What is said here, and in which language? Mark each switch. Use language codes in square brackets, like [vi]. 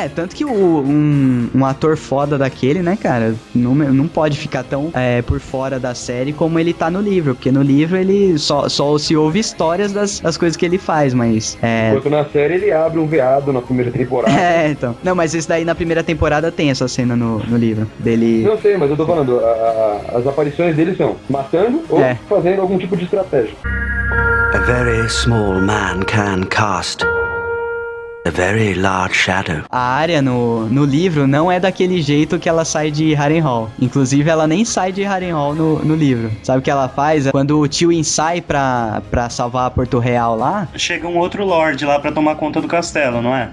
[pt] É, tanto que um ator foda daquele, né, cara, não pode ficar tão por fora da série como ele tá no livro, porque no livro ele só se ouve histórias das coisas que ele faz, mas... Enquanto na série ele abre um veado na primeira temporada. É, então. Não, mas esse daí na primeira temporada tem essa cena no livro dele... Não sei, mas eu tô falando, as aparições dele são matando ou fazendo algum tipo de estratégia. [en] A very small man can cast a very large shadow. [pt] A Arya no livro não é daquele jeito que ela sai de Harrenhal. Inclusive, ela nem sai de Harrenhal no livro. Sabe o que ela faz? Quando o Tywin sai pra salvar Porto Real lá... Chega um outro Lorde lá pra tomar conta do castelo, não é?